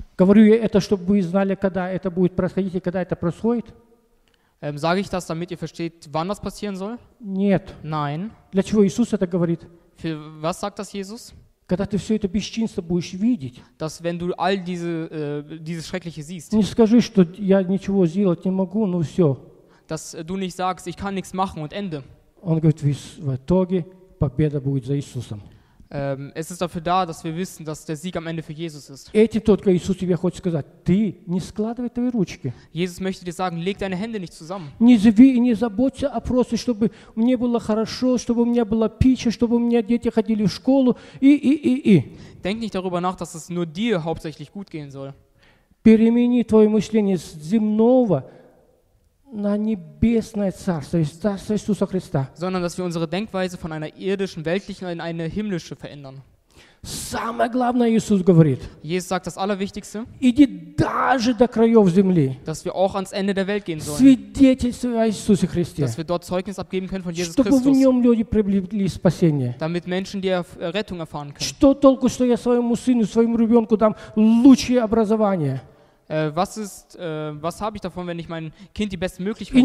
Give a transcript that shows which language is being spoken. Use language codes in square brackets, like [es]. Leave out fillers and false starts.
[ru] Говорю я это, чтобы вы знали, когда это будет происходить и когда это происходит. [de] Sage ich das, damit ihr versteht, wann das passieren soll? [ru] Нет. [de] Nein. [ru] Для чего Иисус это говорит? [de] Für was sagt das Jesus? [ru] Когда ты все это бесчинство будешь видеть. [de] Dass wenn du all diese dieses Schreckliche siehst. [ru] Не скажи, что я ничего сделать не могу, ну все. [de] Dass du nicht sagst, ich kann nichts machen und Ende. [ru] Он говорит, в итоге победа будет за Иисусом. [de] Es ist dafür da, dass wir wissen, dass der Sieg am Ende für Jesus ist. [ru] Этим только Иисус тебе хочет сказать, ты не складывай твои ручки. [de] Jesus möchte dir sagen, leg deine Hände nicht zusammen. [ru] Не живи и не заботься, а просто, чтобы мне было хорошо, чтобы у меня была пища, чтобы у меня дети ходили в школу и. [de] Denk nicht darüber nach, dass es nur dir hauptsächlich gut gehen soll. [ru] Перемени твое мышление с земного на небесное царство, царство Иисуса Христа. [de] Sondern, dass wir unsere Denkweise von einer irdischen, weltlichen in eine himmlische verändern. [ru] Самое главное, Иисус говорит. [de] Jesus sagt das Allerwichtigste. [ru] Иди даже до краев земли. [de] Dass wir auch ans Ende der Welt gehen sollen. [ru] Свидетельствуй о Иисусе Христе. [de] Dass wir dort Zeugnis abgeben können von Jesus Christus. [ru] Чтобы в нем люди приобрели спасение. [de] Damit Menschen die Errettung erfahren können. [ru] Что толку, что я своему сыну, своему ребенку дам лучшее образование? [de] Was habe ich davon, wenn ich mein Kind die besten Möglichkeiten